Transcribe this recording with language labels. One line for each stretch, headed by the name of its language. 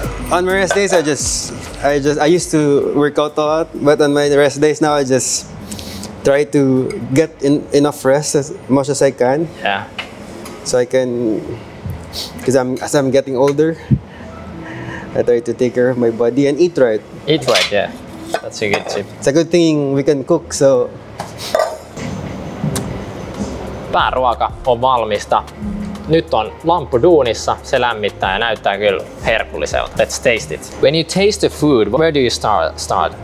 English: on my rest days, I used to work out a lot, but on my rest days now, I just try to get enough rest as much as I can. Yeah. So I can, because as I'm getting older, I try to take care of my body and eat right. Eat right, yeah. That's a good tip. It's a good thing we can cook, so.
Finnish: Pääruoka on valmista. Nyt on lamppu duunissa, se lämmittää ja näyttää kyllä herkulliselta.
English: Let's taste it. When you taste the food, where do you start?